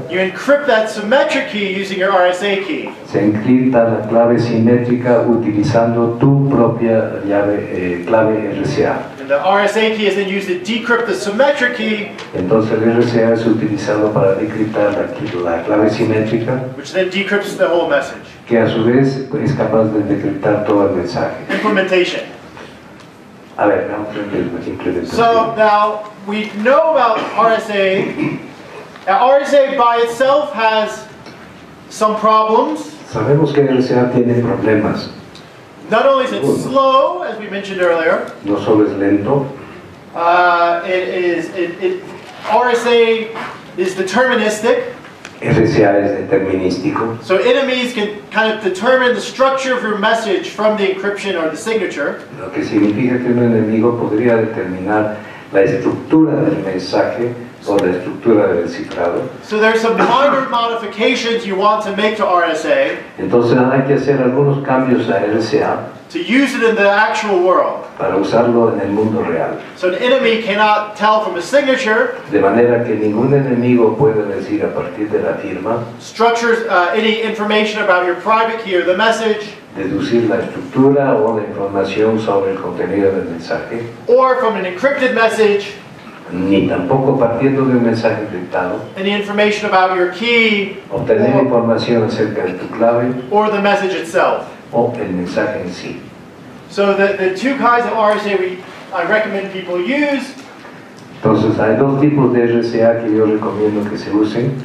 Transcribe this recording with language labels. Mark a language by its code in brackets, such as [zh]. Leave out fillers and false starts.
[en] You encrypt that symmetric key using your RSA key. [es] Se encripta la clave simétrica utilizando tu propia llave, clave RSA. [en] And the RSA key is then used to decrypt the symmetric key. [es] Entonces el RSA es utilizado para decriptar la clave simétrica. [en] Which then decrypts the whole message. [es] Que a su vez es capaz de decriptar todo el mensaje. [en] Implementation. [es] A ver, vamos a ver. [en] So now we know about RSA. Now, RSA by itself has some problems. [es] Sabemos que RSA tiene problemas. [en] Not only is it slow, as we mentioned earlier. [es] No solo es lento. [en] RSA is deterministic. [es] RSA es determinístico. [en] So enemies can kind of determine the structure of your message from the encryption or the signature. [es] Lo que significa que un enemigo podría determinar la estructura del mensaje o la estructura del cifrado. [en] So there are some minor modifications you want to make to RSA. [es] Entonces hay que hacer algunos cambios a RSA. [en] To use it in the actual world. [es] Para usarlo en el mundo real. [en] So an enemy cannot tell from a signature. [es] De manera que ningún enemigo puede decir a partir de la firma. [en] Structures any information about your private key or the message. [es] Deducir la estructura o la información sobre el contenido del mensaje. [en] Or from an encrypted message. [es] Ni tampoco partiendo de un mensaje encriptado. [en] Any information about your key. [es] Obtener información acerca de tu clave. [en] Or the message itself. [es] O el mensaje en sí. [en] So the two kinds of RSA I recommend people use. [es] Entonces hay dos tipos de RSA que yo recomiendo que se usen.